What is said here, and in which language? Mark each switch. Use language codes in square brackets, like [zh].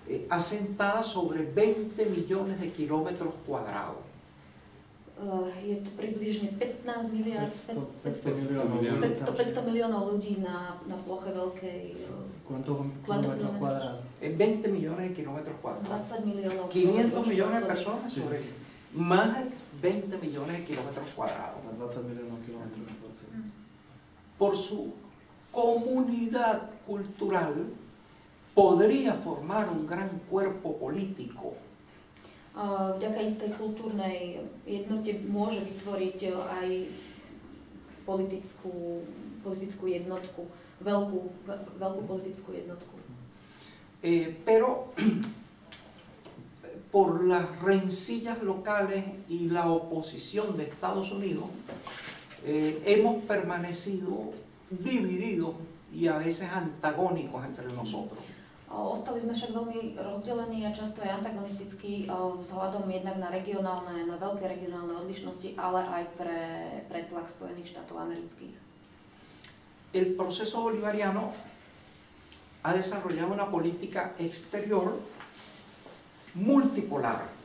[es] Asentada sobre 20 millones de kilómetros cuadrados. [sk] Je to približne 15 miliard, 500 miliónov ľudí na ploche veľkej. [es] ¿Cuántos kilómetros cuadrados? 20 millones de kilómetros cuadrados. [sk] 20 miliónov. [es] 500 millones de personas sobre más de 20 millones de kilómetros cuadrados. 20 millones de kilómetros cuadrados. Por su comunidad cultural, podría formar un gran cuerpo político. [sk] Vďaka istej kultúrnej jednote môže vytvoriť aj politickú jednotku, veľkú politickú jednotku. [es] Pero por las rencillas locales y la oposición de Estados Unidos, hemos permanecido divididos y a veces antagónicos entre nosotros. [sk] Ostali sme však veľmi rozdelení a často aj antagonistickí vzhľadom jednak na regionálne, na veľké regionálne odlišnosti, ale aj pre tlak Spojených štátov amerických. [es] El proceso bolivariano ha desarrollado una política exterior multipolar.